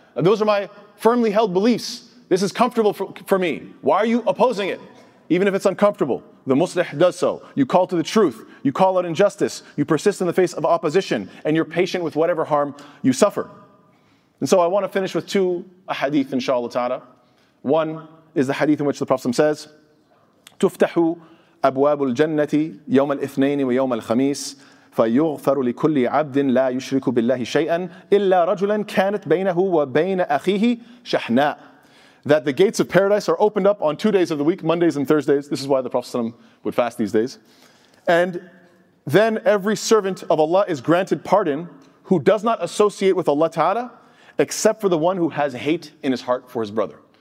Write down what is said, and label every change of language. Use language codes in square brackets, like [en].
[en] Those are my firmly held beliefs. This is comfortable for me. Why are you opposing it? Even if it's uncomfortable, the Muslih does so. You call to the truth. You call out injustice. You persist in the face of opposition. And you're patient with whatever harm you suffer. And so I want to finish with two hadith, inshallah ta'ala. One is the hadith in which the Prophet says, [ar] تُفْتَحُ أَبْوَابُ الْجَنَّةِ يَوْمَ الْإِثْنَيْنِ وَيَوْمَ الْخَمِيسِ فَيُغْفَرُ لِكُلِّ عَبْدٍ لَا يُشْرِكُ بِاللَّهِ شَيْئًا إِلَّا رَجُلًا كَانَتْ بَيْنَهُ وَبَيْنَ أَخِيهِ شَحْنَاءً. [en] That the gates of paradise are opened up on 2 days of the week, Mondays and Thursdays. This is why the Prophet ﷺ would fast these days. And then every servant of Allah is granted pardon who does not associate with Allah Ta'ala except for the one who has hate in his heart for his brother.